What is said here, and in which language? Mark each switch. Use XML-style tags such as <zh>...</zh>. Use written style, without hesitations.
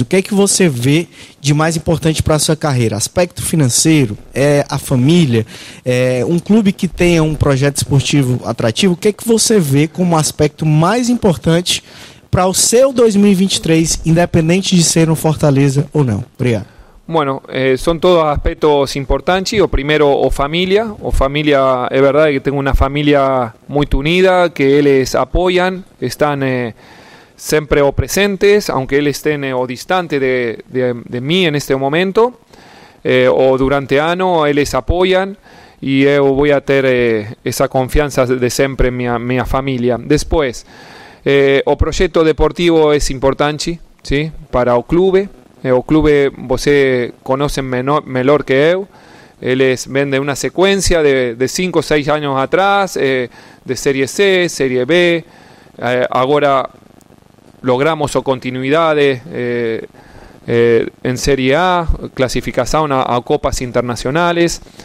<pt>O que é que você vê de mais importante para a sua carreira? Aspecto financeiro? É a família? É um clube que tenha um projeto esportivo atrativo? O que é que você vê como aspecto mais importante para o seu 2023, independente de ser no Fortaleza ou não? Obrigado.</pt> <es>Bueno, son todos aspectos importantes. O primero, o familia, es verdad que tengo una familia muy unida, que ellos apoyan, están siempre o presentes, aunque ellos estén o distantes de mí en este momento, o durante año, ellos apoyan, y yo voy a tener esa confianza de siempre en mi familia. Después, o proyecto deportivo es importante, ¿sí?</es> <pt>Para o clube.</pt> <es>O clube, você conoce mejor que yo. Ellos ven de una secuencia de 5 o 6 años atrás, de Serie C, Serie B. Ahora logramos o continuidades en Serie A, clasificación a copas internacionales.</es>